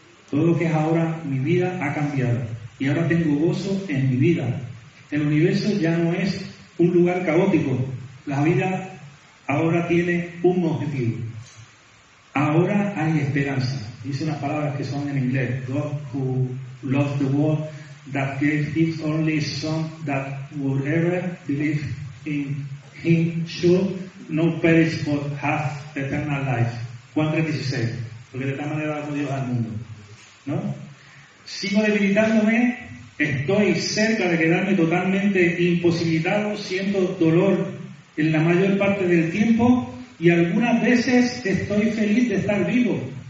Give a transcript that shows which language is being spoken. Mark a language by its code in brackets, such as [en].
[es] Todo lo que es ahora mi vida ha cambiado. Y ahora tengo gozo en mi vida. El universo ya no es un lugar caótico. La vida ahora tiene un objetivo. Ahora hay esperanza. Dice unas palabras que son en inglés. [en] God who loved the world that gave his only son that whoever believes in him should not perish but have eternal life. [es] Juan 3:16. Porque de tal manera amó Dios al mundo. ¿No? Sigo debilitándome, estoy cerca de quedarme totalmente imposibilitado, siento dolor en la mayor parte del tiempo y algunas veces estoy feliz de estar vivo.